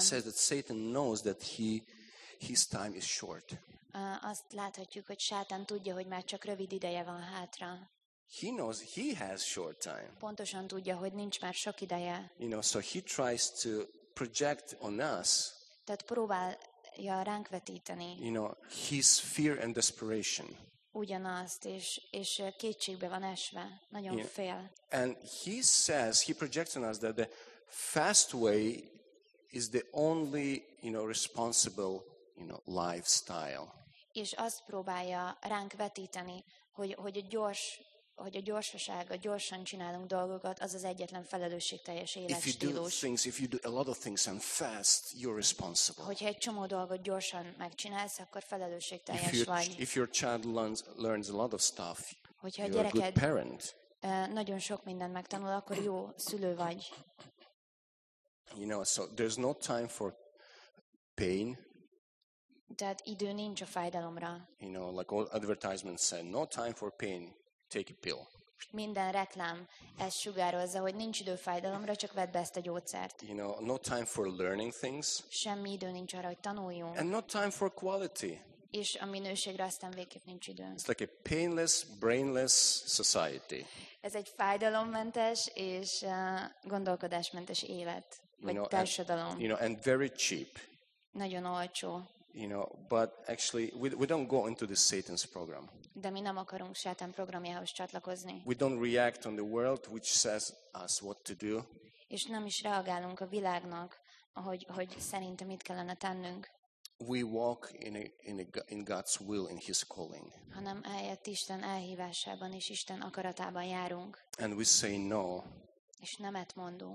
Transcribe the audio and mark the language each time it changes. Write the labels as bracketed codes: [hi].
[en] Says that Satan knows that his time is short. [hu] Azt láthatjuk, hogy Sátán tudja, hogy már csak rövid ideje van hátra. [en] He knows he has short time. [hu] Pontosan tudja, hogy nincs már sok ideje. [en] You know, so he tries to project on us. [hu] Tehát próbálja ránk vetíteni. [en] You know, his fear and desperation. [hu] Ugyanazt, és kétségbe van esve, nagyon yeah. fél. [en] And he says, he projects on us that the fast way is the only, you know, responsible, you know, lifestyle. [hu] És azt próbálja ránk vetíteni, hogy a gyorsaság, a gyorsan csinálunk dolgokat, az az egyetlen felelősségteljes életstílus. [en] If you do a lot of things and fast, you're responsible. [hu] Hogyha egy csomó dolgot gyorsan megcsinálsz, akkor felelősségteljes vagy. [en] If your child learns a lot of stuff, [hu] hogyha [en] you're a good parent. [hu] Nagyon sok mindent megtanul, akkor jó szülő vagy. [en] You know, so there's no time for pain. [hu] Tehát idő nincs a fájdalomra. [en] You know, like all advertisements say, no time for pain. Take a pill. [hu] Minden reklám ezt sugározza, hogy nincs idő fájdalomra, csak vedd be ezt a gyógyszert. [en] You know, no time for learning things. [hu] Semmi idő nincs arra, hogy tanuljunk. [en] And no time for quality. [hu] És a minőségre aztán végképp nincs idő. [en] It's like a painless, brainless society. [hu] Ez egy fájdalommentes és gondolkodásmentes élet, vagy társadalom. [en] You know, and very cheap. [hu] Nagyon olcsó. [en] You know, but actually we don't go into the Satan's program. [hu] De mi nem akarunk Sátán programjához csatlakozni. [en] We don't react on the world which says us what to do. [hu] És nem is reagálunk a világnak, hogy szerintem mit kellene tennünk. [en] We walk in God's will, in his calling. [hu] Hanem eljött Isten elhívásában és Isten akaratában járunk. [en] And we say no. [hu] És nemet mondunk.